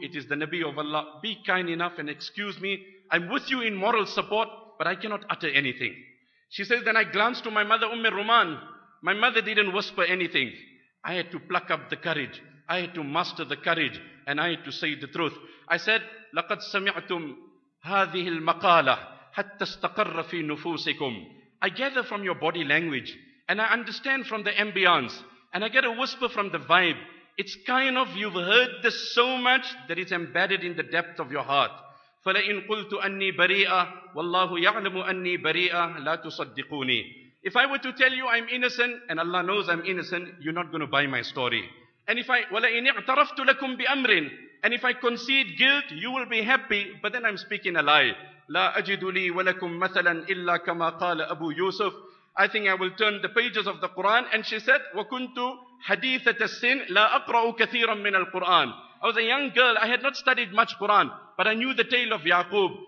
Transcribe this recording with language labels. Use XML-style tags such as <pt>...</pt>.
<en>It is the Nabi of Allah. Be kind enough and excuse me. I'm with you in moral support, but I cannot utter anything. She says, then I glanced to my mother, Umm Ruman. My mother didn't whisper anything. I had to pluck up the courage. I had to muster the courage. And I had to say the truth. I said,</en> <ar>لَقَدْ سَمِعْتُمْ هَذِهِ الْمَقَالَةِ حَتَّى اسْتَقَرَّ فِي نُفُوسِكُمْ.</ar> <en>I gather from your body language. And I understand from the ambience. And I get a whisper from the vibe. It's kind of, you've heard this so much that it's embedded in the depth of your heart.</en> <ar>فَلَئِنْ قُلْتُ أَنِّي بَرِيئَةٌ وَاللَّهُ يَعْلَمُ أَنِّي بَرِيئَةٌ لَا تُصَدِّقُونِي.</ar> <en>If I were to tell you I'm innocent, and Allah knows I'm innocent, you're not going to buy my story. And if I,</en> <ar>وَلَئِنْ اِعْتَرَفْتُ لَكُمْ بِأَمْرٍ.</ar> <en>And if I concede guilt, you will be happy, but then I'm speaking a lie.</en> <ar>لَا أَجِدُ لِي وَلَكُمْ مَثَلًا إِلَّا كَمَا قَالَ أَبُو يُوسُفْ.</ar> <en>I think I will turn the pages of the Quran. And she said,</en> <ar>وَكُنْتُ حَدِيثَةَ السِّنْ لَا أَقْرَأُ كَثِيرًا مِنَ الْقُرْآنِ.</ar> <en>I was a young girl, I had not studied much Quran, but I knew the tale of Yaqub.</en>